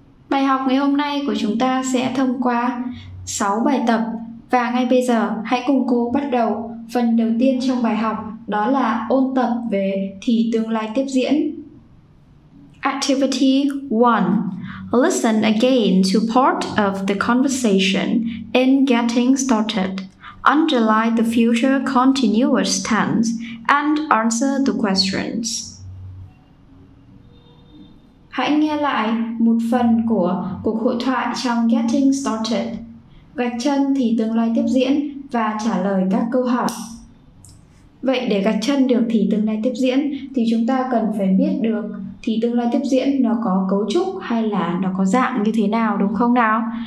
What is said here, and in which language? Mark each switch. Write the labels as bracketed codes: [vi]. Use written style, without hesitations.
[vi] Bài học ngày hôm nay của chúng ta sẽ thông qua 6 bài tập, và ngay bây giờ hãy cùng cô bắt đầu phần đầu tiên trong bài học, đó là ôn tập về thì tương lai tiếp diễn. [en] Activity 1. Listen again to part of the conversation in Getting Started. Underline the future continuous tense and answer the questions. [vi] Hãy nghe lại một phần của cuộc hội thoại trong Getting Started. Gạch chân thì tương lai tiếp diễn và trả lời các câu hỏi. Vậy để gạch chân được thì tương lai tiếp diễn thì chúng ta cần phải biết được thì tương lai tiếp diễn nó có cấu trúc hay là nó có dạng như thế nào, đúng không nào?